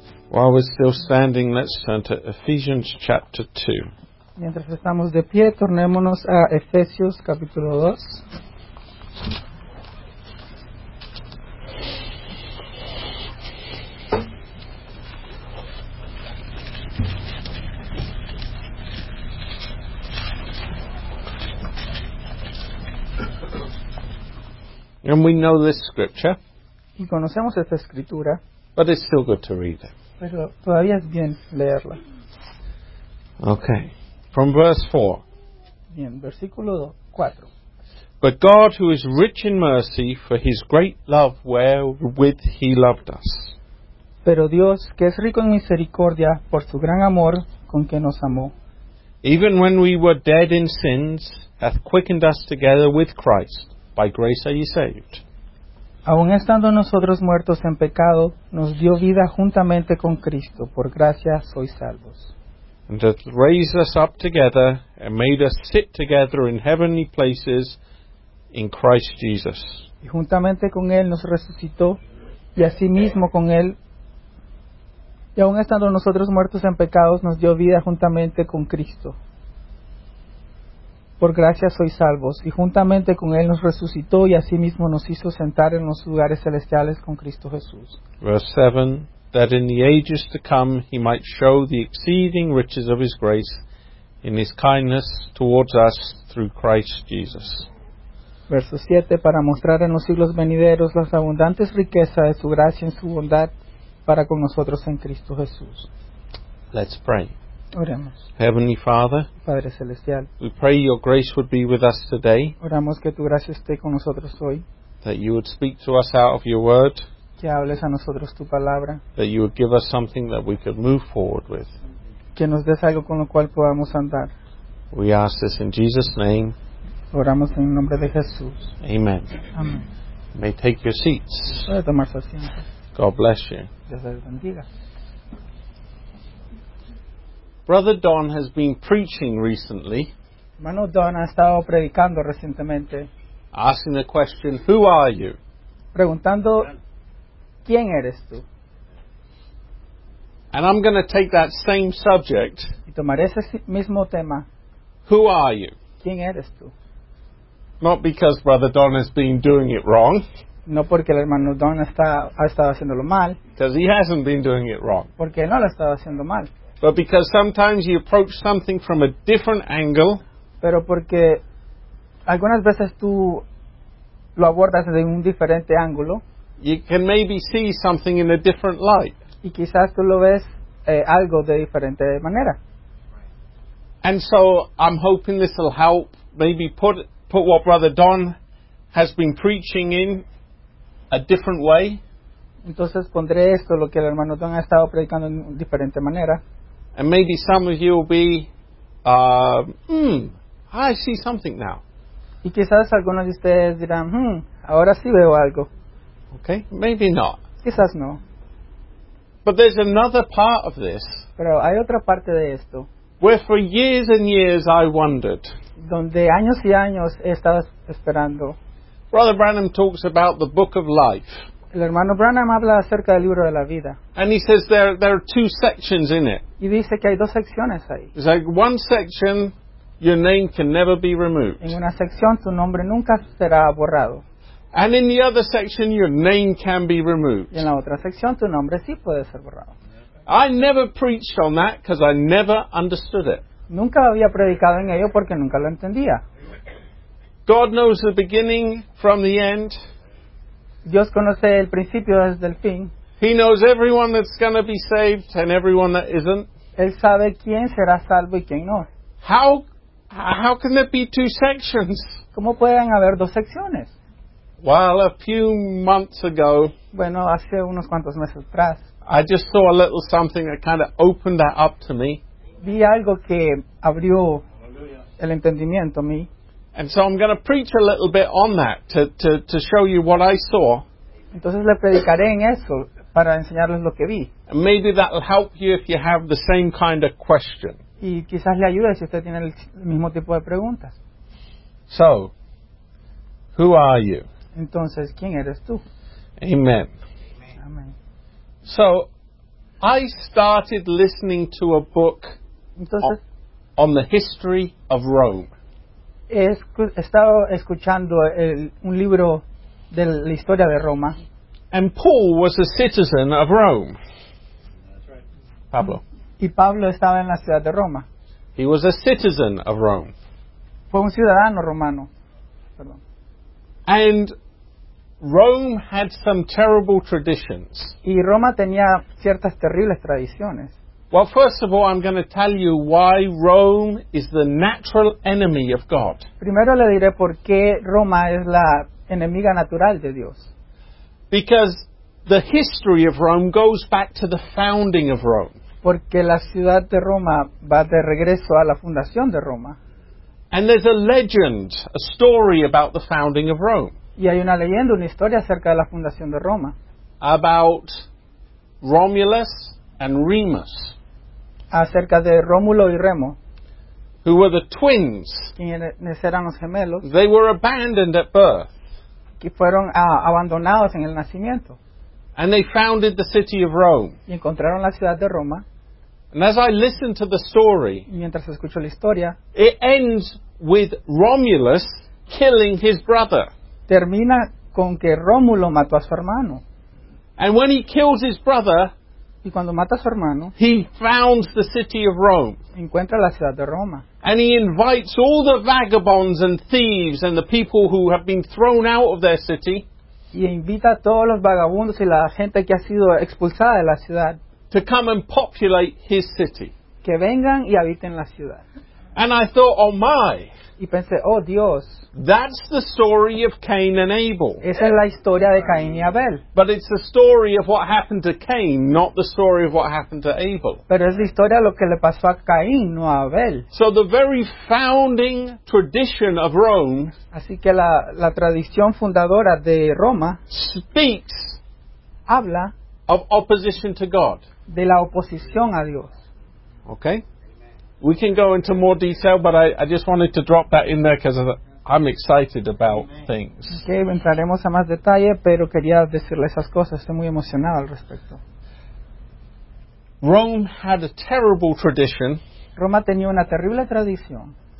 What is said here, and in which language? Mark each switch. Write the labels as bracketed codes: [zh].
[en] While we're still standing, let's turn to Ephesians chapter 2. [es] Mientras estamos de pie, tornémonos a Efesios capítulo 2. [en] And we know this scripture. [es] Y conocemos esta escritura. [en] But it's still good to read it. [es] Pero todavía es bien leerla. [en] Okay. From verse 4. [es] Bien, versículo 4. [en] But God, who is rich in mercy, for his great love wherewith he loved us. [es] Pero Dios, que es rico en misericordia, por su gran amor con que nos amó. [en] Even when we were dead in sins, hath quickened us together with Christ. By grace are ye saved. [es] Aun estando nosotros muertos en pecado, nos dio vida juntamente con Cristo. Por gracia sois salvos. [en] And hath raised us up together and made us sit together in heavenly places in Christ Jesus. [es] Y juntamente con Él nos resucitó y asimismo con Él. Y aun estando nosotros muertos en pecados, nos dio vida juntamente con Cristo. Por gracia sois salvos, y juntamente con Él nos resucitó, y asimismo nos hizo sentar en los lugares celestiales con Cristo Jesús. [en] Verse 7, that in the ages to come He might show the exceeding riches of His grace in His kindness towards us through Christ Jesus. [es] Verso 7, para mostrar en los siglos venideros las abundantes riquezas de su gracia en su bondad para con nosotros en Cristo Jesús. [en] Let's pray. [es] Oremos. [en] Heavenly Father, [es] Padre Celestial, [en] we pray your grace would be with us today. [es] Oramos que tu gracia esté con nosotros hoy. [en] That you would speak to us out of your word. [es] Que hables a nosotros tu palabra. [en] That you would give us something that we could move forward with. [es] Que nos des algo con lo cual podamos andar. [en] We ask this in Jesus' name. [es] Oramos en el nombre de Jesús. [en] Amen. [es] Amen. [en] You may take your seats. [es] Puede tomar su asiento. [en] God bless you. [es] Dios les bendiga. [en] Brother Don has been preaching recently. [es] Hermano Don ha estado predicando recientemente. [en] Asking the question, who are you? [es] Preguntando, ¿quién eres tú? [en] And I'm going to take that same subject. [es] Y tomaré ese mismo tema. [en] Who are you? [es] ¿Quién eres tú? [en] Not because Brother Don has been doing it wrong. [es] No porque el hermano Don ha estado haciéndolo mal. [en] Because he hasn't been doing it wrong. [es] Porque él no lo ha estado haciendo mal. [en] But because sometimes you approach something from a different angle. [es] Pero porque algunas veces tú lo abordas desde un diferente ángulo. [en] You can maybe see something in a different light. [es] Y quizás tú lo ves algo de diferente manera. [en] And so I'm hoping this will help maybe put what Brother Don has been preaching in a different way. [es] Entonces pondré esto, lo que el hermano Don ha estado predicando en una diferente manera. [en] And maybe some of you will be, I see something now. [es] Y quizás algunos de ustedes dirán, ahora sí veo algo. [en] Okay, maybe not. [es] Quizás no. [en] But there's another part of this. [es] Pero hay otra parte de esto. [en] Where for years and years I wondered. [es] Donde años y años he estado esperando. [en] Brother Branham talks about the book of life. [es] El hermano Branham habla acerca del libro de la vida. [en] And he says there are two sections in it. [es] Y dice que hay dos secciones ahí. [en] It's like one section, your name can never be removed. [es] En una sección, tu nombre nunca será borrado. [en] And in the other section, your name can be removed. [es] Y en la otra sección, tu nombre sí puede ser borrado. [en] I never preached on that because I never understood it. [es] Nunca había predicado en ello porque nunca lo entendía. [en] God knows the beginning from the end. [es] Dios conoce el principio desde el fin. [en] He knows everyone that's going to be saved and everyone that isn't. [es] Él sabe quién será salvo y quién no. [en] How can there be two sections? [es] ¿Cómo pueden haber dos secciones? [en] Well, a few months ago. [es] Bueno, hace unos cuantos meses atrás. [en] I just saw a little something that kind of opened that up to me. [es] Vi algo que abrió el entendimiento a mí. [en] And so I'm going to preach a little bit on that to show you what I saw. [es] Entonces le predicaré en eso para enseñarles lo que vi. [en] And maybe that'll help you if you have the same kind of question. [es] Y quizás le ayude si usted tiene el mismo tipo de preguntas. [en] So, who are you? [es] Entonces, ¿quién eres tú? [en] Amen. [es] Amen. [en] So, I started listening to a book on the history of Rome. [es] Estaba escuchando un libro de la historia de Roma. [en] And Paul was a citizen of Rome. [es] Pablo. Y Pablo estaba en la ciudad de Roma. [en] He was a citizen of Rome. [es] Fue un ciudadano romano. Perdón. [en] And Rome had some terrible traditions. [es] Y Roma tenía ciertas terribles tradiciones. [en] Well, first of all, I'm going to tell you why Rome is the natural enemy of God. [es] Primero le diré por qué Roma es la enemiga natural de Dios. [en] Because the history of Rome goes back to the founding of Rome. [es] Porque la ciudad de Roma va de regreso a la fundación de Roma. [en] And there's a legend, a story about the founding of Rome. [es] Y hay una leyenda, una historia acerca de la fundación de Roma. [en] About Romulus and Remus. [es] Acerca de Rómulo y Remo. [en] Who were the twins. [es] Quienes eran los gemelos. [en] They were abandoned at birth. [es] Que fueron abandonados en el nacimiento. [en] And they founded the city of Rome. [es] Y encontraron la ciudad de Roma. [en] And as I listen to the story, [es] mientras escucho la historia, [en] it ends with Romulus killing his brother. [es] Termina con que Rómulo mató a su hermano. [en] And when he kills his brother, [es] y cuando mata a su hermano, [en] he founds the city of Rome. [es] Encuentra la ciudad de Roma. [en] And he invites all the vagabonds and thieves and the people who have been thrown out of their city. [es] Y invita a todos los vagabundos y la gente que ha sido expulsada de la ciudad. [en] To come and populate his city. [es] Que vengan y habiten la ciudad. [en] And I thought, oh my. [es] Y pensé, oh Dios. [en] That's the story of Cain and Abel. [es] Esa es la historia de Caín y Abel. [en] But it's the story of what happened to Cain, not the story of what happened to Abel. [es] Pero es la historia de lo que le pasó a Caín, no a Abel. [en] So the very founding tradition of Rome. [es] Así que la tradición fundadora de Roma. [en] Speaks. [es] Habla. [en] Of opposition to God. [es] De la oposición a Dios. [en] Okay. We can go into more detail, but I just wanted to drop that in there because of the, I'm excited about things. [es] Okay, entraremos a más detalle, pero quería decirle esas cosas. Estoy muy emocionado al respecto. [en] Rome had a terrible tradition. [es] Roma tenía una terrible tradición.